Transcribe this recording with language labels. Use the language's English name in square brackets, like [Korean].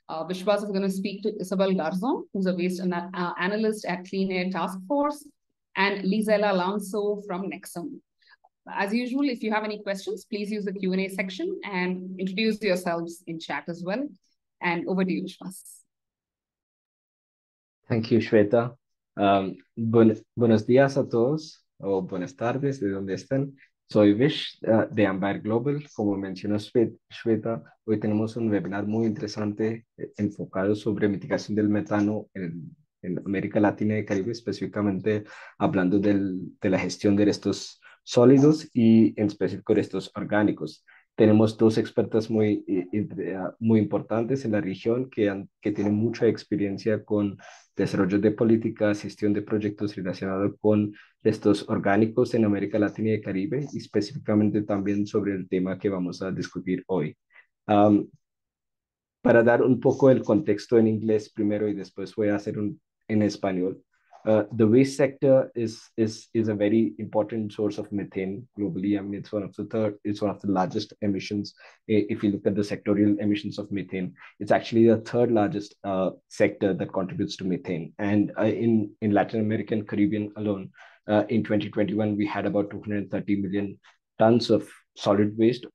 [English] Vishwas is going to speak to Isabel Garzón, who's a waste analyst at Clean Air Task Force, and Lisela Alonso from Nexum. As usual, if you have any questions, please use the Q&A section and introduce yourselves in chat as well. And over to you, Vishwas. Thank you, Shweta. [Spanish] Buenos días a todos, o buenas tardes, de donde estén. Soy Vish, de Ambire Global. Como mencionó Shweta, hoy tenemos un webinar muy interesante enfocado sobre mitigación del metano en América Latina y Caribe, específicamente hablando de la gestión de restos sólidos y en específico restos orgánicos. Tenemos dos expertas muy importantes en la región que tienen mucha experiencia con desarrollo de políticas, gestión de proyectos relacionados con restos orgánicos en América Latina y el Caribe, y específicamente también sobre el tema que vamos a discutir hoy. Para dar un poco el contexto en inglés primero y después voy a hacer en español. [English] The waste sector is a very important source of methane globally. I mean, it's one of the largest emissions. If you look at the sectorial emissions of methane, it's actually the third largest sector that contributes to methane. And in Latin American Caribbean alone, in 2021, we had about 230 million tons of solid waste.